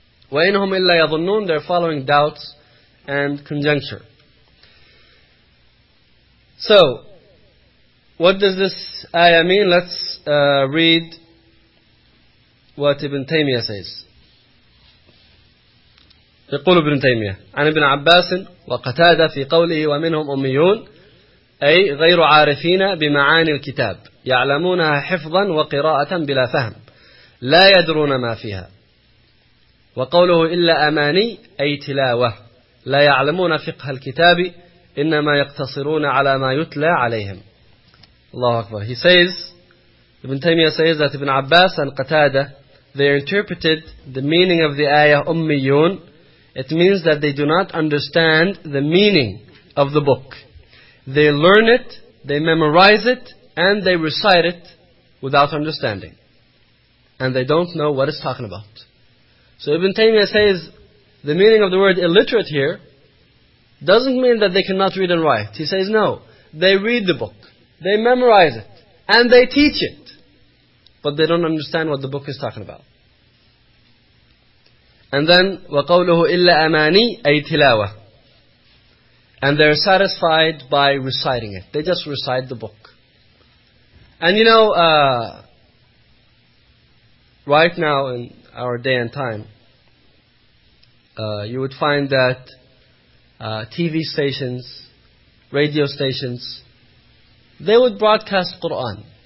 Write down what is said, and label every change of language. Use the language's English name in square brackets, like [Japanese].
[Arabic] وَإِنْهُمْ إِلَّا يَظُنُّونَ. [English] They're following doubts and conjecture. So, what does this ayah mean? Let's read what Ibn Taymiyyah says. [Arabic] يقول Ibn Taymiyyah عن Ibn Abbas وقتادة في قوله ومنهم أميون أي غير عارفين بمعاني الكتاب يعلمونها حفظا وقراءة بلا فهم لا يدرون ما فيها وقوله إلا أماني أي تلاوة لا يعلمون فقه الكتاب إنما يقتصرون على ما يتلى عليهم. Allahu Akbar. [English] He says, Ibn Taymiyyah says that Ibn Abbas and Qatada, they interpreted the meaning of the ayah Ummiyun. It means that they do not understand the meaning of the book. They learn it, they memorize it, and they recite it without understanding. And they don't know what it's talking about. So Ibn Taymiyyah says the meaning of the word illiterate here doesn't mean that they cannot read and write. He says no. They read the book. They memorize it. And they teach it. But they don't understand what the book is talking about. And then, [Arabic] وَقَوْلُهُ إِلَّا أَمَانِي أَيْ تِلَاوَةً. [English] And they're satisfied by reciting it. They just recite the book. And you know, right now in our day and time, you would find that TV stations, radio stations, they would broadcast Qur'an.